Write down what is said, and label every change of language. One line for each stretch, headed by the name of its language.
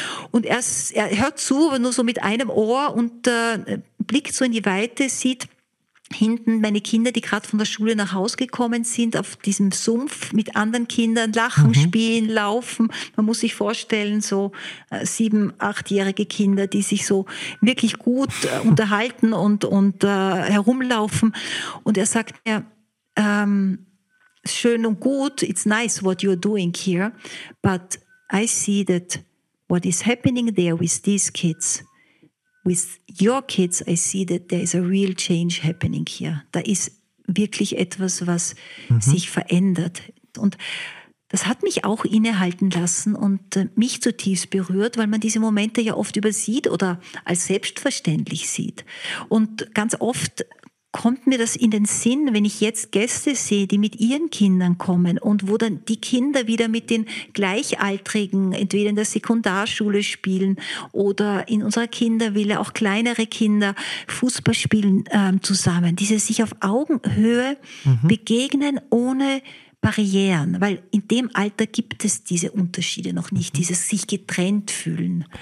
German: Und er hört zu, aber nur so mit einem Ohr, und blickt so in die Weite, sieht hinten meine Kinder, die gerade von der Schule nach Hause gekommen sind, auf diesem Sumpf mit anderen Kindern, lachen, spielen, laufen. Man muss sich vorstellen, so 7-, 8-jährige Kinder, die sich so wirklich gut unterhalten und herumlaufen. Und er sagt mir, schön und gut,
English: it's nice what you're doing here, but I see that what is happening there with these kids, with your kids, I see that there is a real change happening here.
German: Da ist wirklich etwas, was sich verändert. Und das hat mich auch innehalten lassen und mich zutiefst berührt, weil man diese Momente ja oft übersieht oder als selbstverständlich sieht. Und ganz oft kommt mir das in den Sinn, wenn ich jetzt Gäste sehe, die mit ihren Kindern kommen und wo dann die Kinder wieder mit den Gleichaltrigen entweder in der Sekundarschule spielen oder in unserer Kindervilla auch kleinere Kinder Fußball spielen zusammen, diese sich auf Augenhöhe begegnen ohne Barrieren, weil in dem Alter gibt es diese Unterschiede noch nicht, dieses sich getrennt fühlen.